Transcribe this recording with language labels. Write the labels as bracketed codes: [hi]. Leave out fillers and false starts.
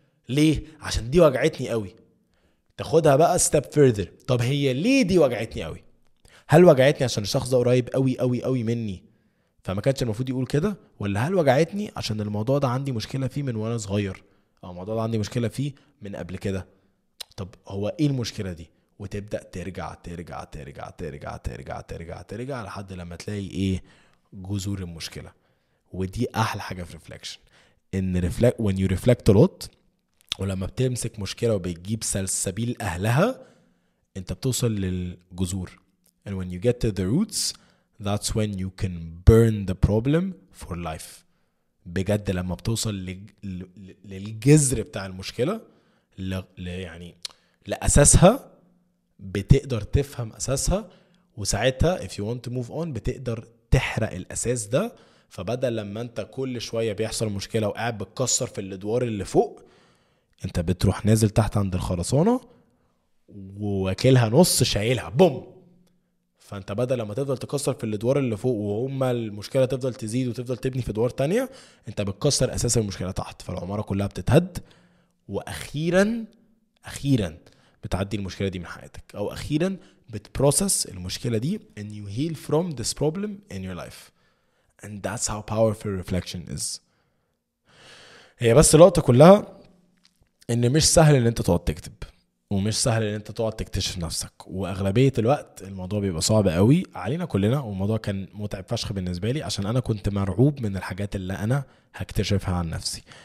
[ar] ليه؟ عشان دي وجعتني قوي. تاخدها بقى [en] step further، [ar] طب هي ليه دي وجعتني قوي؟ هل وجعتني عشان الشخص ده قريب قوي قوي قوي مني فما كانش المفروض يقول كده، ولا هل وجعتني عشان الموضوع ده عندي مشكلة فيه من وانا صغير، او الموضوع ده عندي مشكلة فيه من قبل كده؟ طب هو ايه المشكلة دي؟ وتبدأ ترجع ترجع ترجع ترجع ترجع ترجع ترجع لحد لما تلاقي ايه جذور المشكلة. ودي احلى حاجة في reflection، ان [en] reflect when you reflect a lot، [ar] ولما بتمسك مشكلة وبتجيب سلسبيل اهلها انت بتوصل للجذور. [en] And when you get to the roots that's when you can burn the problem for life. [ar] بجد لما بتوصل للجذر بتاع المشكلة يعني لأساسها بتقدر تفهم أساسها، وساعتها [en] if you want to move on [ar] بتقدر تحرق الأساس ده. فبدل لما انت كل شوية بيحصل مشكلة وقاعد بتكسر في الأدوار اللي فوق، انت بتروح نازل تحت عند الخرسانة وواكلها نص شايلها بوم. فانت بدل لما تفضل تكسر في الادوار اللي فوق وهم المشكلة تفضل تزيد وتفضل تبني في ادوار تانية، انت بتكسر اساس المشكلة تحت، فالعمارة كلها بتتهد، واخيرا اخيرا بتعدي المشكلة دي من حياتك، او اخيرا بتبروسس المشكلة دي [en] and you heal from this problem in your life. And that's how powerful reflection is. [ar] هي بس اللقطة كلها ان مش سهل ان انت تقعد تكتب، ومش سهل ان انت تقعد تكتشف نفسك، واغلبية الوقت الموضوع بيبقى صعب قوي علينا كلنا، والموضوع كان متعب فشخ بالنسبة لي عشان انا كنت مرعوب من الحاجات اللي انا هكتشفها عن نفسي.